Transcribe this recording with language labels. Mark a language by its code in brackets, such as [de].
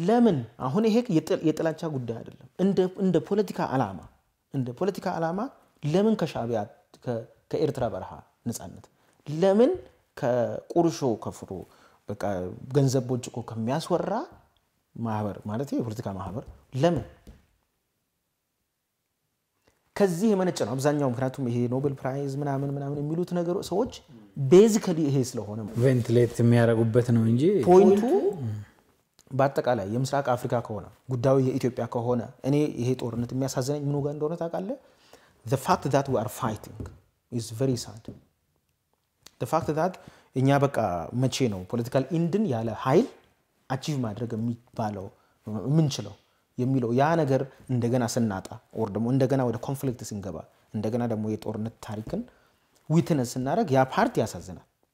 [am] ለምን አሁን ይሄ የጥላቻ ጉዳይ አይደለም እንደ ፖለቲካ አላማ እንደ ፖለቲካ አላማ ለምን ከሻቢያ ከኤርትራ በረሃ ንጻነት ለምን ከቁርሾ ከፍሮ በቃ ገንዘብ ቦጭቆ ከሚያስወራ ማህበር ማለት የፖለቲካ ማህበር ለምን ከዚህ የመነጨ ነው አብዛኛው? ምክንያቱም ይሄ ኖቤል ፕራይዝ ምናምን ምናምን የሚሉት ነገር ሰዎች basically ይሄ ስለሆነ ቬንትሌት የሚያረጉበት ነው እንጂ ፖይንቱ በአጠቃላይ የምስራቅ አፍሪካ ከሆነ ጉዳዩ የኢትዮጵያ ከሆነ እኔ ይሄ ጦርነት የሚያሳዝነኝ ምን ጋር እንደሆነ ታቃለ? [en] the fact that we are fighting is very sad. the fact that [am] እኛ በቃ መቼ ነው ፖለቲካል ኢንድን ያለ ኃይል አቺቭ ማድረግ የሚባለው ምን ይችላል የሚለው ያ ነገር እንደገና ስናጣ ወር ደሞ እንደገና ወደ ኮንፍሊክት ሲንገባ እንደገና ደሞ የጦርነት ታሪክን ዊትነስ እናደርግ ያ ፓርቲ ያሳዝናል